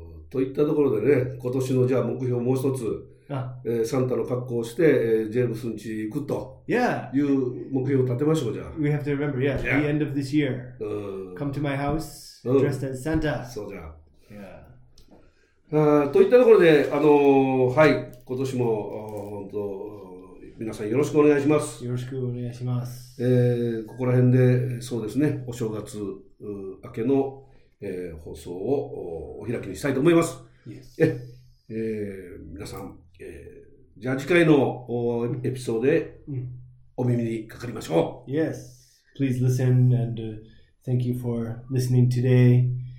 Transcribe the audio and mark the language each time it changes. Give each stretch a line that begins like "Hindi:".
Japanese: といったところでね、今年のじゃあ目標もう一つ、サンタの格好をして、ジェームスの家に行くという目標を立てましょうじゃあ。
English: We have to remember, the end of this year. Come to my house, dressed as Santa.
Japanese: そうじゃあ。
English: Yeah.
Japanese: といったところで、はい、今年も本当、皆さんよろしくお願いします。よろしくお願いします。ここら辺で、そうですね、お正月明けの放送をお開きにしたいと思います。皆さん、じゃあ次回のエピソードでお耳にかかりましょう。
English: Yes, please listen and thank you for listening today.